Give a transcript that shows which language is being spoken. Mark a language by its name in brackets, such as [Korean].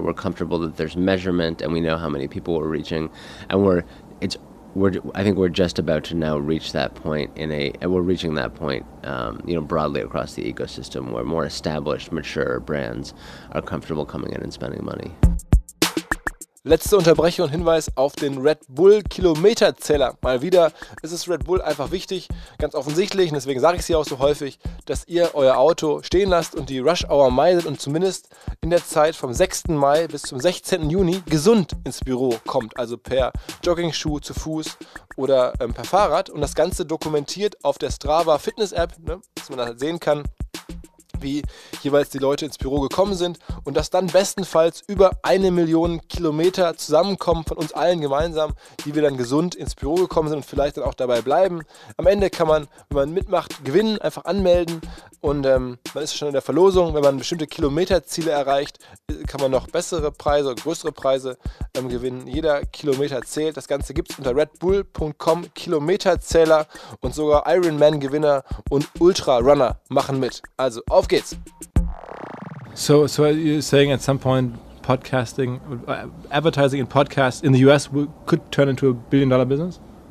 [English] We're comfortable that there's measurement, and we know how many people we're reaching, and I think we're just about to now reach that point we're reaching that point, broadly across the ecosystem where more established, mature brands are comfortable coming in and spending money. [German] Letzte Unterbrechung und Hinweis auf den Red Bull Kilometerzähler. Mal wieder ist es Red Bull einfach wichtig, ganz offensichtlich, und deswegen sage ich es hier auch so häufig, dass ihr euer Auto stehen lasst und die Rush Hour meidet und zumindest in der Zeit vom 6. Mai bis zum 16. Juni gesund ins Büro kommt, also per Jogging-Schuh, zu Fuß oder per Fahrrad, und das Ganze dokumentiert auf der Strava Fitness App, ne, dass man das halt sehen kann, wie jeweils die Leute ins Büro gekommen sind, und dass dann bestenfalls über 1 Million Kilometer zusammenkommen von uns allen gemeinsam, die wir dann gesund ins Büro gekommen sind und vielleicht dann auch dabei bleiben. Am Ende kann man, wenn man mitmacht, gewinnen, einfach anmelden, und man ist schon in der Verlosung. Wenn man bestimmte Kilometerziele erreicht, kann man noch bessere Preise, größere Preise gewinnen. Jeder Kilometer zählt. Das Ganze gibt es unter redbull.com Kilometerzähler, und sogar Ironman-Gewinner und Ultra-Runner machen mit. Also, auf geht's. [English] So you're saying at some point podcasting, advertising in podcasts in the US could turn into a billion-dollar business?